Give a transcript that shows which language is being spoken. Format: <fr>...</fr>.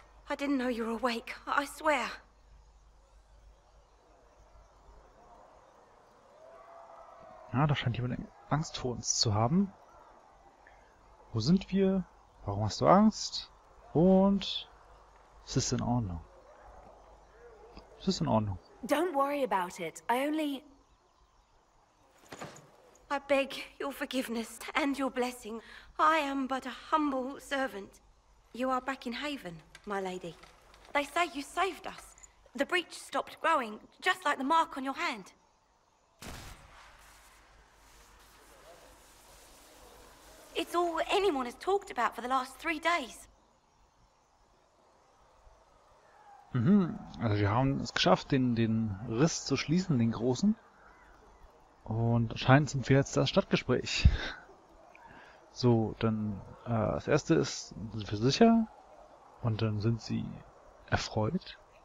<en>I didn't know you were awake, I swear.</en> <de>Ja, da scheint jemand Angst vor uns zu haben. Wo sind wir? Warum hast du Angst? Und es ist in Ordnung. Es ist in Ordnung.</de> <en>Don't worry about it. I beg your forgiveness and your blessing. I am but a humble servant. You are back in Haven, my lady. They say you saved us. The breach stopped growing, just like the mark on your hand. It's all anyone has talked about for the last 3 days.</en> <de>Mhm, also wir haben es geschafft, den Riss zu schließen, den großen. Und scheint zum Pferd das Stadtgespräch. So, dann das erste ist, sind wir sicher? Und dann sind sie erfreut.</de>